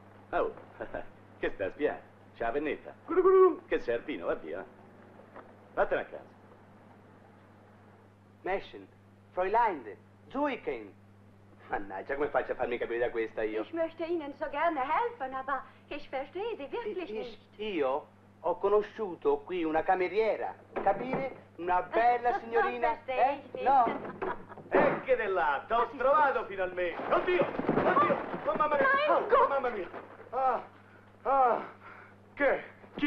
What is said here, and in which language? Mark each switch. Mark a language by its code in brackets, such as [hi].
[it] Oh, che sta a spiare? C'è la pennetta? Che sei alpino, va via. Vattene a casa. Meschen, Fräulein, Zuiken. Mannaggia, come faccio a farmi capire da questa io? [de] Ich möchte Ihnen so gerne helfen, aber ich verstehe Sie wirklich nicht. [it] Io ho conosciuto qui una cameriera, capire? Una bella signorina. Eh? No. Ecco de là, t'ho trovato finalmente. Oddio, oddio, oh mamma mia, oh mamma mia. Ah, ah, che? Chi?